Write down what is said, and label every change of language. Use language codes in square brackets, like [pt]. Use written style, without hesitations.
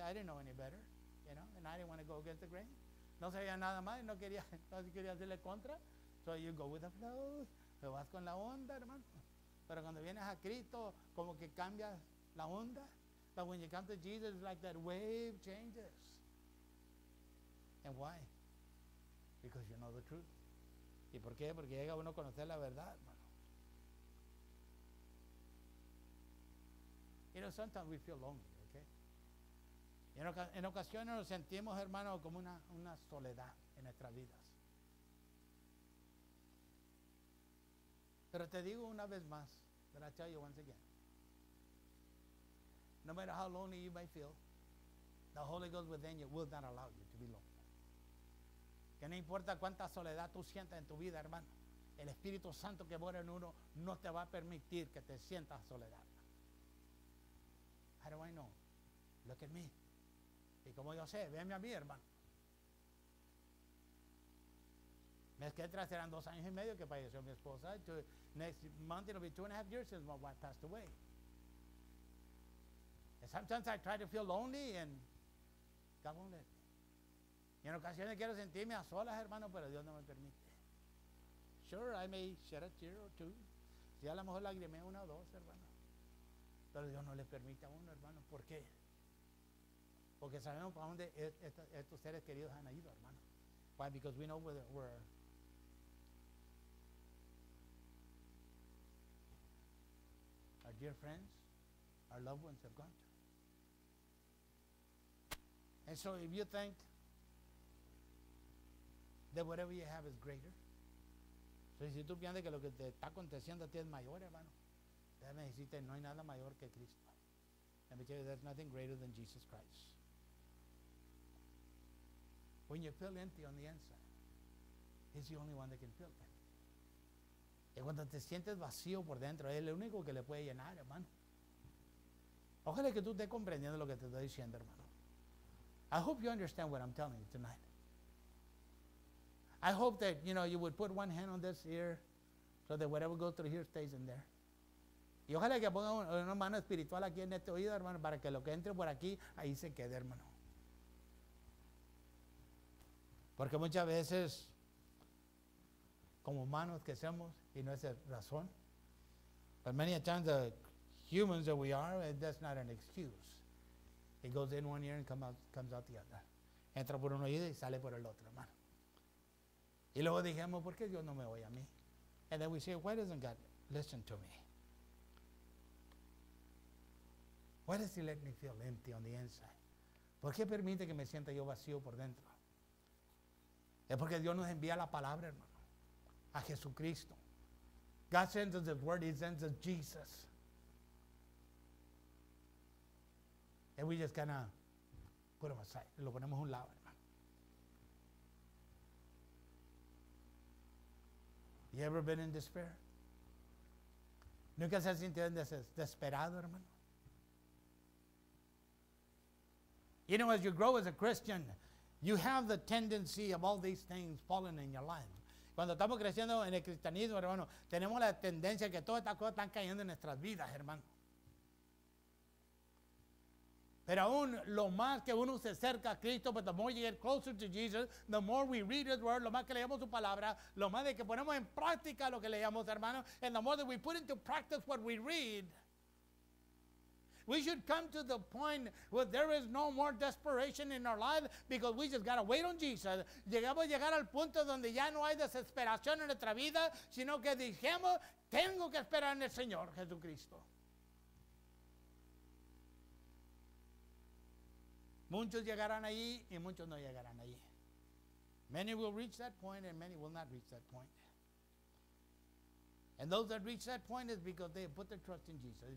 [en] I didn't know any better, you know, and I didn't want to go against the grain. [es] No sabía nada más, no quería hacerle contra. [en] So you go with the flow, [es] te vas con la onda, hermano. Pero cuando vienes a Cristo, como que cambias la onda. [en] But when you come to Jesus, it's like that wave changes. And why? Because you know the truth. [es] ¿Y por qué? Porque llega uno a conocer la verdad, hermano. [en] You know, sometimes we feel lonely. [es] En ocasiones nos sentimos, hermano, como una soledad en nuestras vidas. Pero te digo una vez más, [en] but I tell you once again. No matter how lonely you may feel, the Holy Ghost within you will not allow you to be lonely. [es] Que no importa cuánta soledad tú sientas en tu vida, hermano, el Espíritu Santo que mora en uno no te va a permitir que te sientas soledad. [en] How do I know? Look at me. [es] Y como yo sé, véanme a mí, hermano. Me quedé atrás, eran 2 años y medio que falleció mi esposa. [en] Next month it'll be 2.5 years since my wife passed away. And sometimes I try to feel lonely and God won't let me. [es] Y en ocasiones quiero sentirme a solas, hermano, pero Dios no me permite. [en] Sure, I may shed a tear or two. [es] Si a lo mejor lagrimé una o dos, hermano. Pero Dios no le permite a uno, hermano. ¿Por qué? Porque sabemos para dónde estos seres queridos han ido, hermano. [en] Why? Because we know where our dear friends, our loved ones have gone to. And so if you think that whatever you have is greater, so [es] si tú piensas que lo que te está aconteciendo a ti es mayor, hermano, déjame decirte, no hay nada mayor que Cristo. [en] Let me tell you, there's nothing greater than Jesus Christ. When you feel empty on the inside, he's the only one that can fill it. [es] Y cuando te sientes vacío por dentro, es el único que le puede llenar, hermano. Ojalá que tú estés comprendiendo lo que te estoy diciendo, hermano. [en] I hope you understand what I'm telling you tonight. I hope that, you know, you would put one hand on this ear so that whatever goes through here stays in there. [es] Y ojalá que ponga una mano espiritual aquí en este oído, hermano, para que lo que entre por aquí, ahí se quede, hermano. Porque muchas veces, como humanos que somos, y no es razón, [en] but many a times the humans that we are, that's not an excuse. It goes in one ear and comes out the other. [es] Entra por un oído y sale por el otro, hermano. Y luego dijimos, ¿por qué Dios no me oye a mí? [en] And then we say, why doesn't God listen to me? Why does he let me feel empty on the inside? [es] ¿Por qué permite que me sienta yo vacío por dentro? Es porque Dios nos envía la palabra, hermano, a Jesucristo. [en] God sends us the word, he sends us Jesus. And we just kind of put him aside. [es] Lo ponemos a un lado, hermano. [en] You ever been in despair? [es] ¿Nunca se ha sentido desesperado, hermano? [en] You know, as you grow as a Christian, you have the tendency of all these things falling in your life. [es] Cuando estamos creciendo en el cristianismo, hermano, tenemos la tendencia que todas estas cosas están cayendo en nuestras vidas, hermano. Pero aún lo más que uno se acerca a Cristo, [en] but the more you get closer to Jesus, the more we read his word, [es] lo más que leemos su palabra, lo más de que ponemos en práctica lo que leemos, hermano, [en] and the more that we put into practice what we read, we should come to the point where there is no more desperation in our life because we just got to wait on Jesus. [es] Llegamos a llegar al punto donde ya no hay desesperación en nuestra vida, sino que dijimos, tengo que esperar en el Señor Jesucristo. Muchos llegarán allí y muchos no llegarán allí. [en] Many will reach that point and many will not reach that point. And those that reach that point is because they have put their trust in Jesus.